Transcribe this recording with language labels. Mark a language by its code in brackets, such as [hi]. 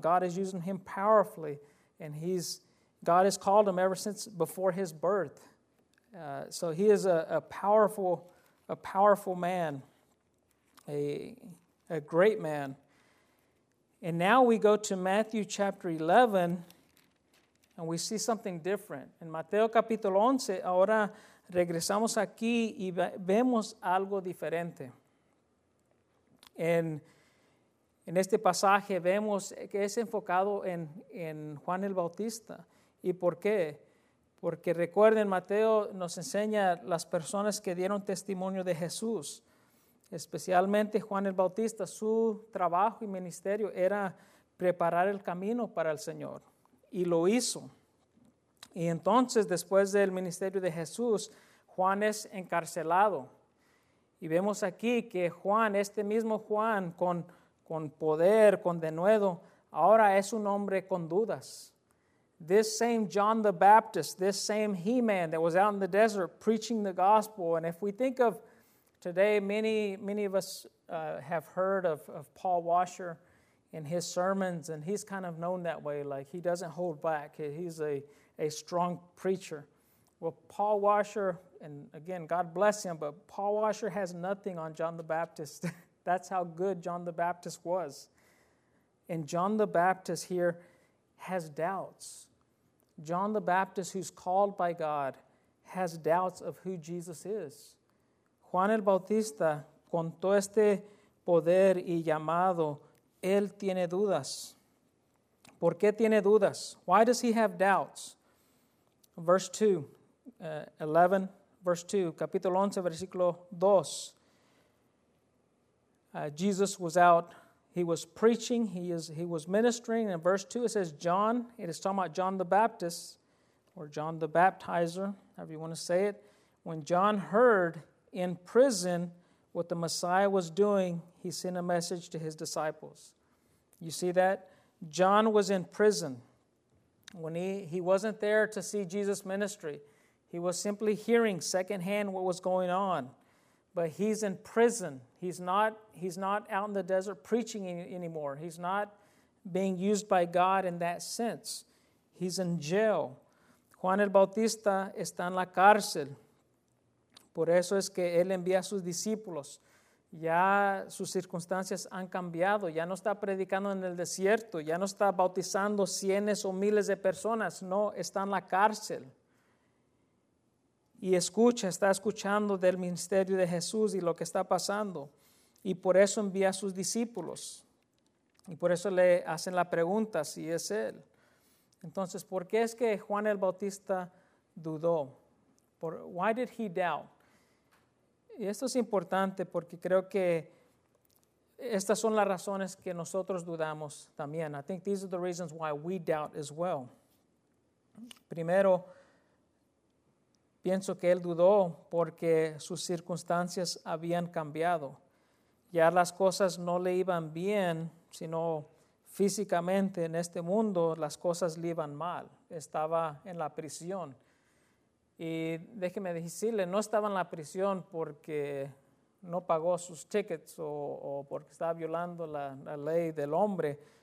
[en] God is using him powerfully, and God has called him ever since before his birth. So he is a powerful man, a great man. And now we go to Matthew chapter 11, and we see something different. [es] En Mateo capítulo 11, ahora regresamos aquí y vemos algo diferente. En este pasaje vemos que es enfocado en Juan el Bautista. ¿Y por qué? Porque recuerden, Mateo nos enseña las personas que dieron testimonio de Jesús. Especialmente Juan el Bautista, su trabajo y ministerio era preparar el camino para el Señor. Y lo hizo. Y entonces, después del ministerio de Jesús, Juan es encarcelado. Y vemos aquí que Juan, este mismo Juan, con poder, con denuedo, ahora es un hombre con dudas. [en] This same John the Baptist, this same He-Man that was out in the desert preaching the gospel. And if we think of today, many of us have heard of Paul Washer and his sermons, and he's kind of known that way, like he doesn't hold back. He's a strong preacher. Well, Paul Washer, and again, God bless him, but Paul Washer has nothing on John the Baptist. That's how good John the Baptist was. And John the Baptist here has doubts. John the Baptist, who's called by God, has doubts of who Jesus is. [es] Juan el Bautista, con todo este poder y llamado, él tiene dudas. ¿Por qué tiene dudas? [en] Why does he have doubts? Verse 2, 11, verse 2, [es] capítulo 11, versículo 2. [en] Jesus was out, he was preaching, he was ministering. In verse 2 it says, John, it is talking about John the Baptist, or John the Baptizer, however you want to say it. When John heard in prison what the Messiah was doing, he sent a message to his disciples. You see that? John was in prison. When he wasn't there to see Jesus' ministry. He was simply hearing secondhand what was going on. But he's in prison. He's not out in the desert preaching anymore. He's not being used by God in that sense. He's in jail. [es] Juan el Bautista está en la cárcel. Por eso es que él envía a sus discípulos. Ya sus circunstancias han cambiado. Ya no está predicando en el desierto. Ya no está bautizando cientos o miles de personas. No, está en la cárcel. Y escucha, está escuchando del ministerio de Jesús y lo que está pasando. Y por eso envía a sus discípulos. Y por eso le hacen la pregunta si es él. Entonces, ¿por qué es que Juan el Bautista dudó? [en] Why did he doubt? [es] Y esto es importante porque creo que estas son las razones que nosotros dudamos también. [en] I think these are the reasons why we doubt as well. [es] Primero, pienso que él dudó porque sus circunstancias habían cambiado. Ya las cosas no le iban bien, sino físicamente en este mundo las cosas le iban mal. Estaba en la prisión. Y déjeme decirle, no estaba en la prisión porque no pagó sus tickets o porque estaba violando la ley del hombre.